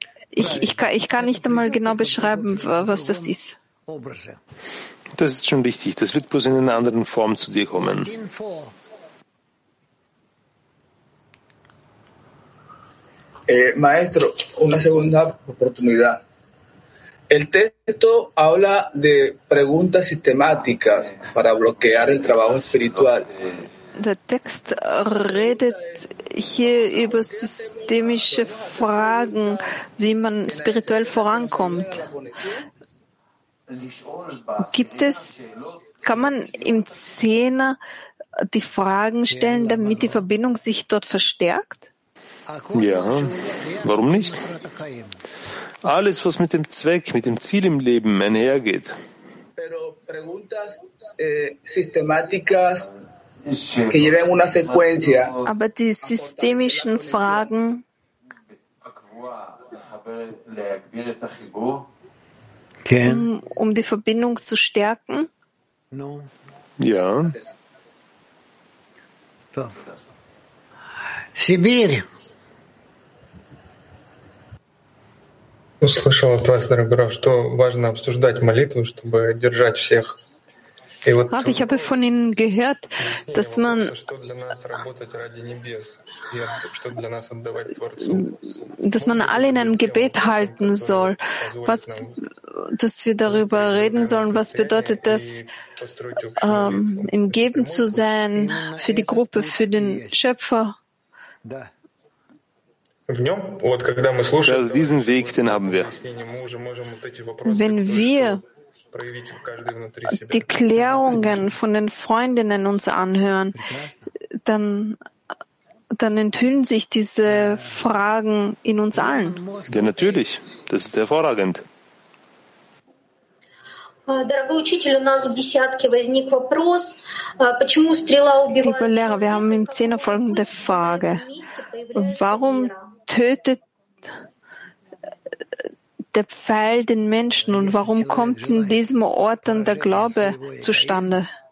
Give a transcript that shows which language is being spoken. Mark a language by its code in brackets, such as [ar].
[de] Ich kann nicht einmal genau beschreiben, was das ist. Das ist schon richtig. Das wird bloß in einer anderen Form zu dir kommen. [es] Maestro, una segunda oportunidad. El texto habla de preguntas sistemáticas para bloquear el trabajo espiritual. [de] Der Text redet hier über systemische Fragen, wie man spirituell vorankommt. Gibt es, kann man im Zehner die Fragen stellen, damit die Verbindung sich dort verstärkt? Ja, warum nicht? Alles, was mit dem Zweck, mit dem Ziel im Leben einhergeht. Aber die systemischen Fragen, um die Verbindung zu stärken? Ja. Sibir. [ru] Услышал от вас, дорогой Рав, что важно обсуждать молитву, чтобы держать всех. И вот. Ах, я бы [de] von Ihnen gehört, dass man. [ru] Что для нас работать ради небес, что для нас отдавать Творцу. [de] Dass man alle in einem Gebet halten soll, was, dass wir darüber reden sollen, was bedeutet das, im Geben zu sein für die Gruppe, für den Schöpfer. [ru] Да. В нем, вот когда мы слушаем, [de] ja, diesen Weg, den haben wir. Wenn wir die Klärungen von den Freundinnen uns anhören, dann enthüllen sich diese Fragen in uns allen. Ja, natürlich, das ist hervorragend. [ru] Дорогой учитель, у нас в десятке возник вопрос, почему стрела убивает. [de] Lehrer, wir haben im Zehner folgende Frage. Warum tötet der Pfeil den Menschen und warum kommt in diesem Ort dann der Glaube zustande?